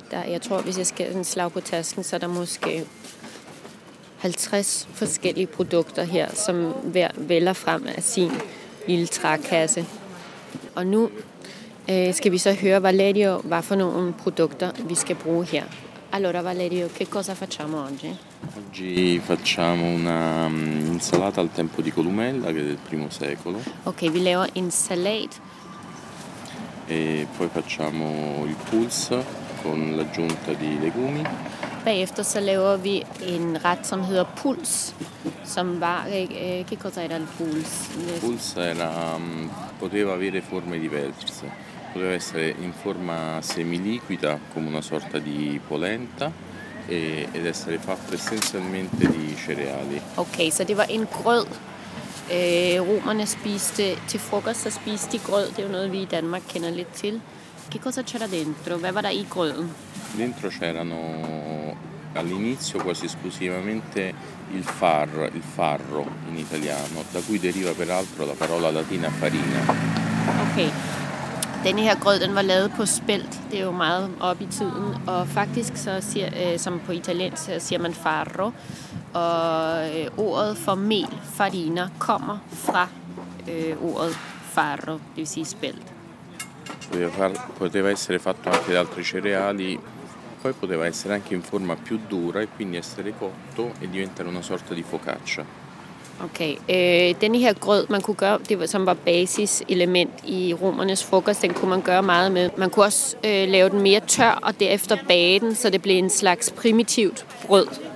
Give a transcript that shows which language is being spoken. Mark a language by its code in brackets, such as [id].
[da] Jeg tror, hvis jeg skal en slag på tasken, så er der måske 50 forskellige produkter her, som hver vælger frem af sin lille trækasse. Og nu skal vi så høre, Valerio, hvad for nogle produkter vi skal bruge her. [it] Allora, Valerio, che cosa facciamo oggi? Oggi facciamo una insalata al tempo di Columella, che è del primo secolo. [da] Ok, vi laver en salat. [it] E poi facciamo il puls con l'aggiunta di legumi. [da] Bagefter så laver vi en ret, som hedder puls, som var, [it] che cosa era il puls? Puls era, poteva avere forme diverse, poteva essere in forma semiliquida, come una sorta di polenta, ed essere fatto essenzialmente di cereali. [da] Ok, så det var en grød. Romerne spiste, til frokost så spiste de grød, det er jo noget vi i Danmark kender lidt til. [it] Che cosa c'era dentro? [da] Hvad var der i grøden? [it] Dentro c'erano all'inizio quasi esclusivamente il farro in italiano, da cui deriva peraltro la parola latina farina. [da] Ok, denne her grød, den var lavet på spelt, det er jo meget op i tiden, og faktisk så siger, som på italiensk, siger man farro, og ordet for mel, farina, kommer fra ordet farro, det vil sige spelt. [it] Poteva essere fatto anche da altri cereali, poi poteva essere anche in forma più dura e quindi essere cotto e diventare una sorta di focaccia. [da] Ok, denne her grød, man kunne gøre, det var, som var basiselement i romernes frokost, den kunne man gøre meget med. Man kunne også lave den mere tør og derefter bage den, så det blev en slags primitivt brød.